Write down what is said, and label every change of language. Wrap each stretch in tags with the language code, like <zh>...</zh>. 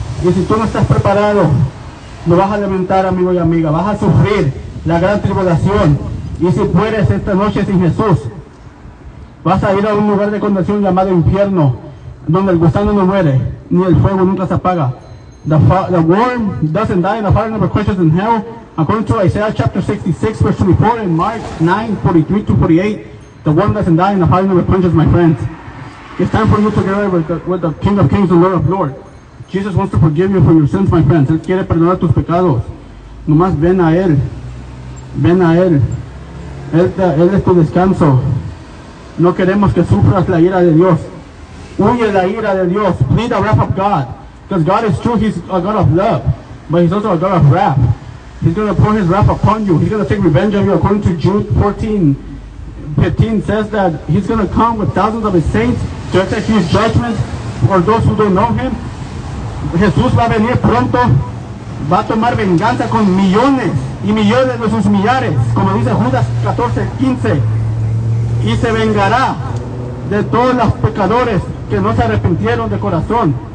<es>Y si tú no estás preparado, no vas a lamentar, amigo y amiga. Vas a sufrir la gran tribulación. Y si mueres esta noche sin Jesús, vas a ir a un lugar de condenación llamado infierno, donde el gusano no muere, ni el fuego nunca se apaga.</es> <en>The worm doesn't die, the fire never crushes in hell. According to Isaiah chapter 66, verse 24, and Mark 9, 43 to 48, the worm doesn't die, and the fire never crushes, my friends. It's time for you to get ready with the King of Kings and Lord of Lords. Jesus wants to forgive you for your sins, my friends.</en> <es>Él quiere perdonar tus pecados. Nomás ven a Él. Ven a Él. Él es tu descanso. No queremos que sufras la ira de Dios. Huye la ira de Dios.</es> <en>Plead the wrath of God. Because God is true. He's a God of love. But He's also a God of wrath. He's going to pour His wrath upon you. He's going to take revenge on you. According to Jude 14:15 says that He's going to come with thousands of His saints to execute His judgments for those who don't know Him.</en> <es>Jesús va a venir pronto, va a tomar venganza con millones y millones de sus millares, como dice Judas 14:15, y se vengará de todos los pecadores que no se arrepintieron de corazón.</es>